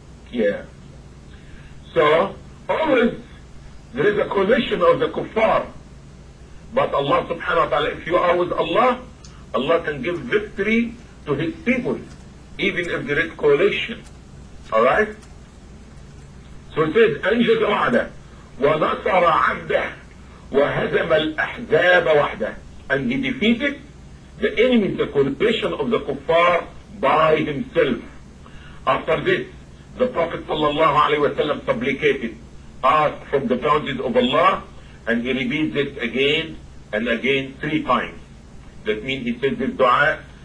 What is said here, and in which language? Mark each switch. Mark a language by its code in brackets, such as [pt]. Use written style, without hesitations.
[en] Yeah. So, always there is a collection of the kuffar. But Allah subhanahu wa ta'ala, if you are with Allah, Allah can give victory to his people, even if there is collection. Alright? So it says, [ar] أنجز وعده ونصر عبده وهزم الأحزاب وحده. [en] And he defeated the enemy, the coalition of the kuffar by himself. After this, the Prophet sallallahu alayhi wa sallam supplicated, asked from the bounties of Allah, and he repeated this again and again three times. That means he said this dua